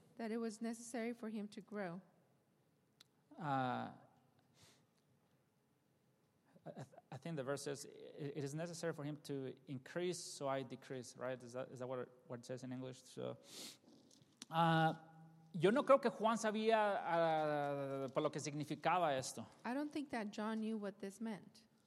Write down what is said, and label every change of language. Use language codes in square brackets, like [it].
[en] That it was necessary for him to grow. I think the verse says it is necessary for him to increase, so I decrease. Right? Is that what it says in English? [es] So, yo no creo que Juan sabía por lo que significaba esto. [en] I don't think that John knew what this meant.